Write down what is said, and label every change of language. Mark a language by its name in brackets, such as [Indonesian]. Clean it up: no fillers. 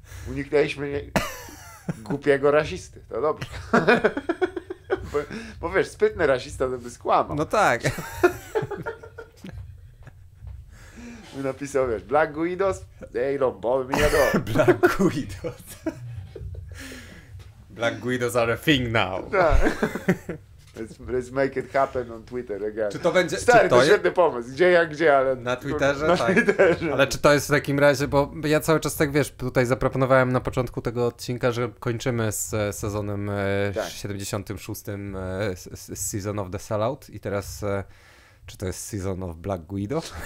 [Polish] Uniknęliśmy głupiego rasisty, to dobrze. Bo wiesz, sprytny rasista to by skłamał. No tak. Napisał, wiesz, Black Guidos, ej, lombowy mi jadą. Black Guidos. [English] Black Guidos are a thing now. [Polish] Tak. [English] Let's make it happen on Twitter again. [Polish] Czy to będzie... Stary, czy to świetny pomysł, gdzie jak gdzie, ale... Na Twitterze? Na Twitterze. Tak. Ale czy to jest w takim razie, bo ja cały czas tak, wiesz, tutaj zaproponowałem na początku tego odcinka, że kończymy z sezonem tak. [English] 76. Season of the Sellout [Polish] i teraz, czy to jest [English] Season of Black Guido?